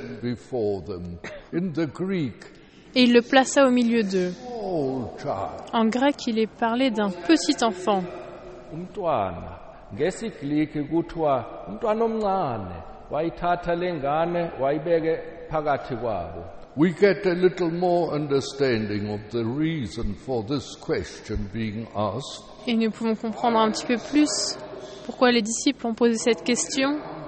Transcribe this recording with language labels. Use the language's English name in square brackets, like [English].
[English] Before them, in the Greek. [French] Et il le plaça au milieu d'eux. [English] Small child. [French] En grec, il est parlé d'un petit enfant. [Zulu] Umntwana. Ngesiglike kuthwa umntwana omncane. Wayithatha lengane, wayibeke phakathi kwabo. [English] We get a little more understanding of the reason for this question being asked. [French] Et nous pouvons comprendre un petit peu plus pourquoi les disciples ont posé cette question.